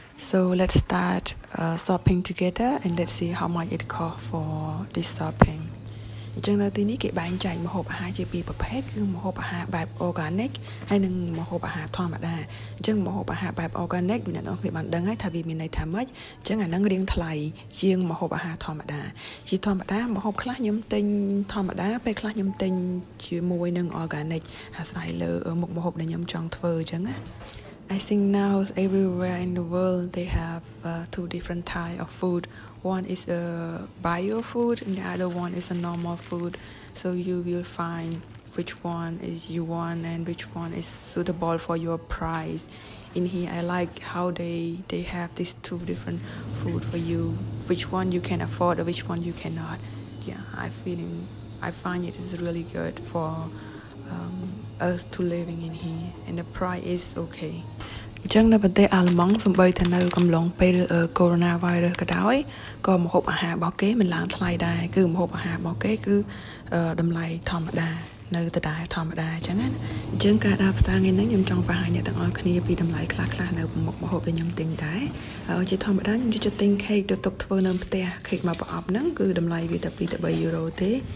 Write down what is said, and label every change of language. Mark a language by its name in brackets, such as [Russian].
[English] So let's start shopping together and let's see how much it costs for this shopping [Khmer] អញ្ចឹងនៅទីនេះគេបែងចែកម្ហូបអាហារជាពីរប្រភេទគឺម្ហូបអាហារបែប organic ហើយនិងម្ហូបអាហារធម្មតាអញ្ចឹងម្ហូបអាហារបែប organic អ្នកនរគ្នាបានដឹងហើយថាវាមានន័យថាម៉េចអញ្ចឹងអាហ្នឹងរៀងថ្លៃជាងម្ហូបអាហារធម្មតា ជាធម្មតាម្ហូបខ្លះខ្ញុំទិញធម្មតាពេលខ្លះខ្ញុំទិញជាមួយនឹង organic អាស្រ័យលើមុខម្ហូបដែលខ្ញុំចង់ធ្វើអញ្ចឹងណា [English] I think now everywhere in the world they have two different types of food. One is a bio food and the other one is a normal food. So you will find which one is you want and which one is suitable for your price. In here I like how they have these two different food for you. Which one you can afford or which one you cannot. Yeah, I find it is really good for us to living in here and the price is okay [Khmer] អញ្ចឹងនៅប្រទេសអាល្លឺម៉ង់សម្បីតែនៅកំឡុងពេលកូវីដ -19 ក៏ដោយក៏ម្ហូបអាហាររបស់គេមិនឡើងថ្លៃដែរគឺម្ហូបអាហាររបស់គេគឺតម្លៃធម្មតានៅដដែលធម្មតាអញ្ចឹងណាអញ្ចឹងការដើរផ្សារថ្ងៃនេះខ្ញុំចង់បង្ហាញអ្នកទាំងអស់គ្នាពីតម្លៃខ្លះៗនៅមុខម្ហូបដែលខ្ញុំទិញដែរហើយជាធម្មតាខ្ញុំជួយទិញខេកទៅទុកធ្វើនៅផ្ទះខេកមកប្រអប់ហ្នឹងគឺតម្លៃវាតែ2ទៅ3យូរ៉ូទេ